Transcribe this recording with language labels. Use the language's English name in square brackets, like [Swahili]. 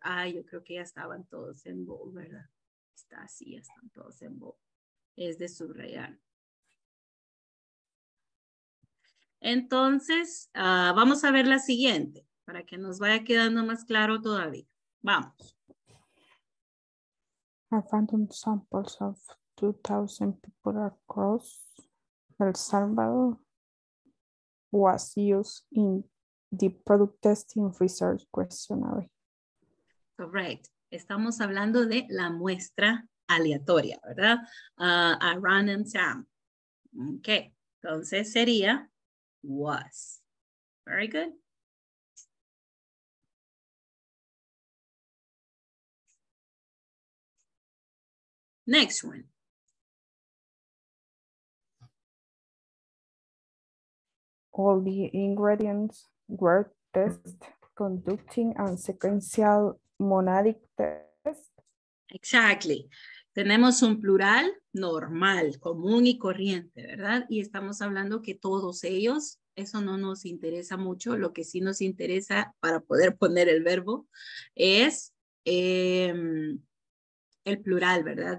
[Spanish] Ah, yo creo que ya estaban todos en bold, ¿verdad? Está así, ya están todos en bold. Es de subrayar. Entonces, vamos a ver la siguiente para que nos vaya quedando más claro todavía. Vamos. [English] I found some samples of 2,000 people across El Salvador was used in the product testing research questionnaire. Correct. [Spanish] Estamos hablando de la muestra aleatoria, ¿verdad? [English] A random sample. Okay. [Spanish] Entonces sería [English] was. Very good. Next one. All the ingredients were tested, conducting and sequential monadic test. Exactly. [Spanish] Tenemos un plural normal, común y corriente, ¿verdad? Y estamos hablando que todos ellos, eso no nos interesa mucho. Lo que sí nos interesa para poder poner el verbo es el plural, ¿verdad?